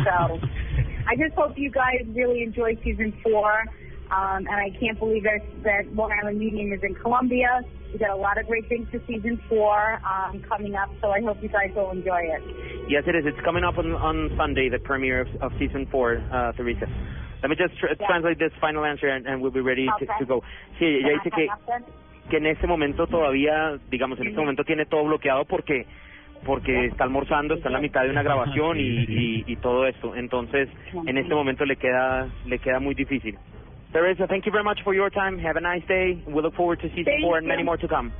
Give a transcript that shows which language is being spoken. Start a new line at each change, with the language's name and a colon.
English: So I just hope you guys really enjoy season 4, and I can't believe that Long Island Medium is in Colombia. We got a lot of great things for season 4 coming up, so I hope you guys will enjoy it. Yes, it is. It's coming up on Sunday, the premiere of season 4, Teresa. Let me just translate this final answer and we'll be ready to go.
Spanish: Sí, ella dice que en ese momento todavía, digamos, en este momento tiene todo bloqueado porque está almorzando, está en la mitad de una grabación y todo esto. Entonces, en este momento le queda muy difícil.
English: Teresa, thank you very much for your time. Have a nice day. We look forward to season 4 and many more to come.